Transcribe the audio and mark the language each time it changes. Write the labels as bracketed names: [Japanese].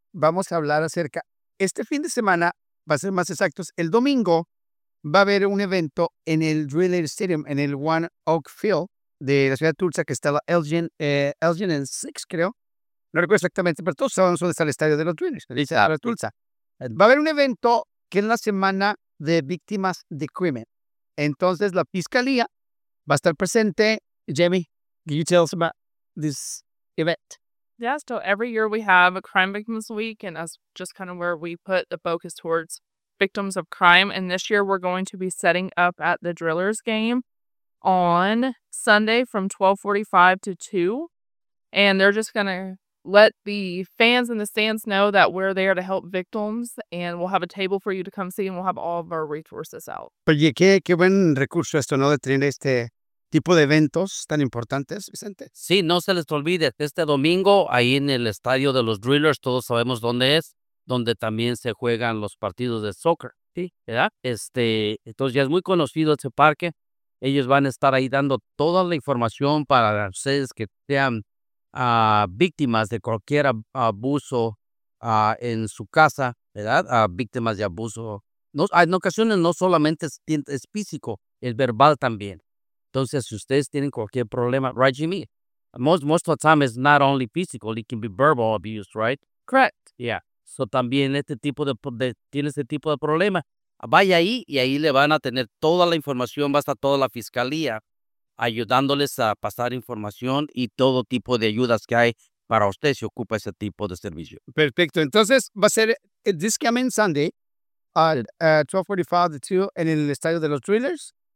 [Spanish] Vamos a hablar acerca, este fin de semana, para ser más exactos, el domingo va a haber un evento en el Driller Stadium, en el One Oak Field de la ciudad de Tulsa, que está la Elgin and Six, creo. No recuerdo exactamente, pero todos sabemos dónde está el estadio de los Drillers, de la ciudad de Tulsa. Va a haber un evento que es la semana de víctimas de crimen. Entonces, la fiscalía va a estar presente. [English] Jamie, can you tell us about this event? Yeah, so every year we have a Crime Victims Week, and that's just kind of where we put the focus towards victims of crime. And this year we're going to be setting up at the Drillers game on Sunday from 12:45 to 2. And they're just going to let the fans in the stands know that we're there to help victims, and we'll have a table for you to come see, and we'll have all of our resources out. [Spanish] Oye, qué buen recurso esto, ¿no? De tener este tipo de eventos tan importantes, Vicente. Sí, no se les olvide, este domingo ahí en el estadio de los Drillers, todos sabemos dónde es, donde también se juegan los partidos de soccer, ¿sí? ¿Verdad? Entonces ya es muy conocido ese parque. Ellos van a estar ahí dando toda la información para ustedes que sean víctimas de cualquier abuso en su casa, ¿verdad? Víctimas de abuso. No, en ocasiones no solamente es físico, es verbal también. Entonces, si ustedes tienen cualquier problema, [English] right, Jimmy? Most of the time, it's not only physical, it can be verbal abuse, right? Correct. Yeah. [Spanish] So, también este tipo de tiene ese tipo de problema. Vaya ahí y ahí le van a tener toda la información, va a estar toda la fiscalía ayudándoles a pasar información y todo tipo de ayudas que hay para usted si ocupa ese tipo de servicio. Perfecto. Entonces, va a ser el [English] This Coming Sunday at 12:45 [Spanish] en el Estadio de los Thrillers.